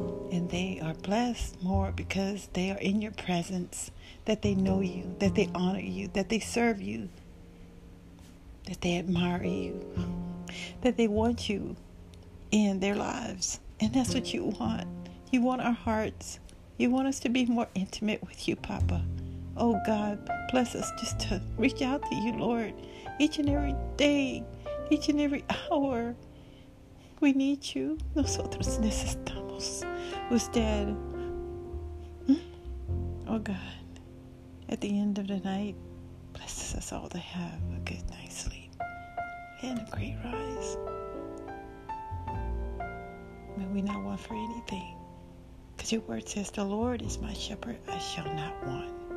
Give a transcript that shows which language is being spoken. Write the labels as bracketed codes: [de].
[en] And they are blessed more because they are in your presence, that they know you, that they honor you, that they serve you, that they admire you, that they want you in their lives. And that's what you want. You want our hearts. You want us to be more intimate with you, Papa. Oh, God, bless us just to reach out to you, Lord. Each and every day, each and every hour, we need you. [es] Nosotros necesitamos usted. [en] Oh, God, at the end of the night, bless us all to have a good night's sleep. And a great rise. May we not want for anything. Because your word says, the Lord is my shepherd, I shall not want.